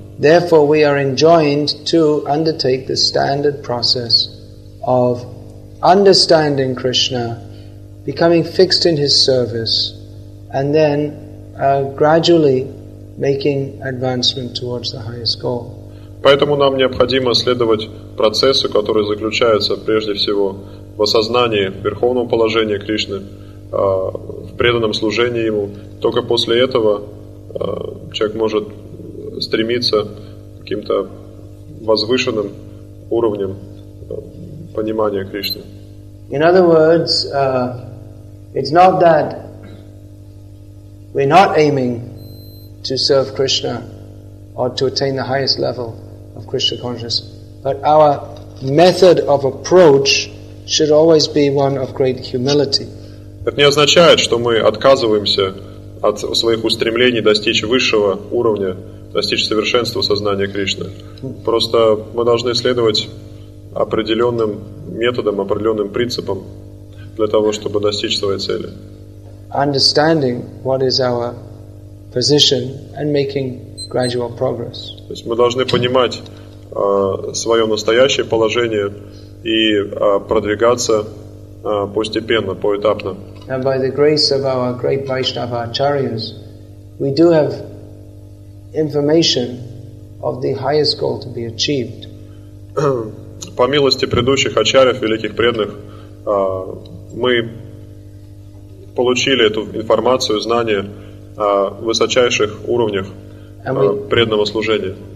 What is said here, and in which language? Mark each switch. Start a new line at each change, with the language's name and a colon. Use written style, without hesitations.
English: Therefore, we are enjoined to undertake the standard process of understanding Krishna, becoming fixed in his service, and then gradually making advancement towards the highest goal.
Russian: Поэтому нам необходимо следовать процессу, который заключается прежде всего в осознании верховного положения Кришны, в преданном служении ему. Только после этого человек может стремиться к каким-то возвышенным уровням понимания Кришны.
English: In other words, it's not that we're not aiming to serve Krishna or to attain the highest level of Krishna consciousness, but our method of approach should always be one of great humility.
Russian: Это не означает, что мы отказываемся от своих устремлений достичь высшего уровня, достичь совершенства сознания Кришны. Просто мы должны следовать определенным методом, определенным принципом для того, чтобы достичь своей цели.
English: Understanding what is our position and making gradual progress.
Russian: То есть мы должны понимать свое настоящее положение и продвигаться постепенно, поэтапно.
English: And by the grace of our great Vaishnava Acharyas, we do have information of the highest goal to be achieved.
Russian: По милости предыдущих ачарьев, великих преданных, мы получили эту информацию, знания о высочайших уровнях преданного служения.